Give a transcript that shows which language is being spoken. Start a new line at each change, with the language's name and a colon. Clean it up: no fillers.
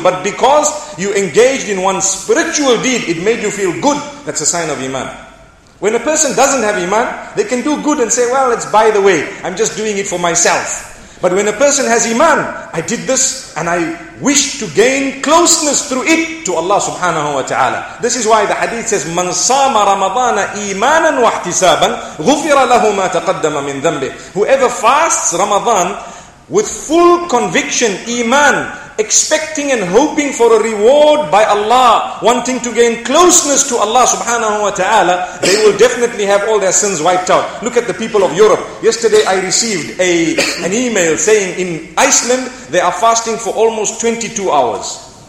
English: But because you engaged in one spiritual deed, it made you feel good. That's a sign of iman. When a person doesn't have iman, they can do good and say, well, it's by the way, I'm just doing it for myself. But when a person has iman, I did this and I wish to gain closeness through it to Allah subhanahu wa ta'ala. This is why the hadith says,
Arabic: مَنْ صَامَ رَمَضَانَ إِيمَانًا وَاحْتِسَابًا غُفِرَ لَهُ مَا تَقَدَّمَ مِنْ ذَنْبِهِ.
English: Whoever fasts Ramadan with full conviction, iman, expecting and hoping for a reward by Allah, wanting to gain closeness to Allah subhanahu wa ta'ala, they will definitely have all their sins wiped out. Look at the people of Europe. Yesterday I received an email saying in Iceland they are fasting for almost 22 hours.